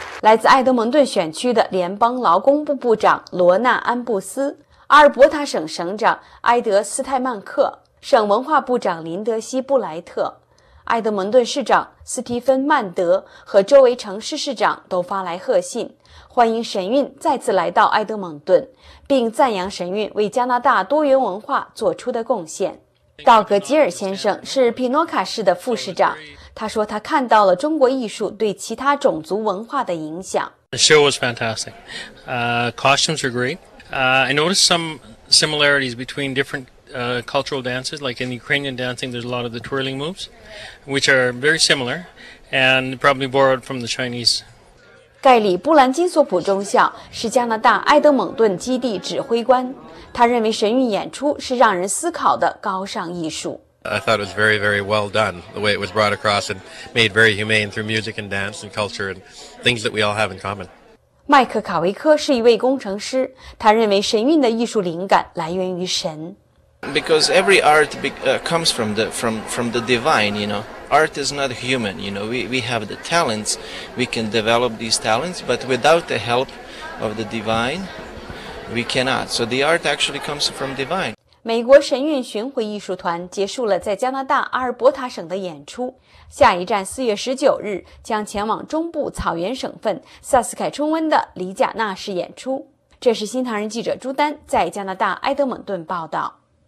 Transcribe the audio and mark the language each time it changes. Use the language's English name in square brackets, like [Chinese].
[Chinese] 来自埃德蒙顿选区的联邦劳工部部长罗纳·安布斯、阿尔伯塔省省长埃德·斯泰曼克、省文化部长林德西·布莱特、埃德蒙顿市长斯蒂芬·曼德和周围城市市长都发来贺信，欢迎神韵再次来到埃德蒙顿，并赞扬神韵为加拿大多元文化做出的贡献。道格吉尔先生是皮诺卡市的副市长，他说他看到了中国艺术对其他种族文化的影响。 [English] The show was fantastic. Costumes were great. I noticed some similarities between different cultural dances, like in Ukrainian dancing, there's a lot of the twirling moves, which are very similar and probably borrowed from the Chinese. [Chinese] 盖里·布兰金索普中校是加拿大埃德蒙顿基地指挥官。他认为神韵演出是让人思考的高尚艺术。 [English] I thought it was very, very well done, the way it was brought across and made very humane through music and dance and culture and things that we all have in common. [Chinese] 麦克·卡维科是一位工程师，他认为神韵的艺术灵感来源于神。 [English] Because every art comes from the divine, you know. Art is not human, you know. We have the talents, we can develop these talents, but without the help of the divine,We cannot. So the art actually comes from divine. [Chinese] 美国神韵巡回艺术团结束了在加拿大阿尔伯塔省的演出，下一站4月19日将前往中部草原省份萨斯凯春温的里贾纳市演出。这是新唐人记者朱丹在加拿大埃德蒙顿报道。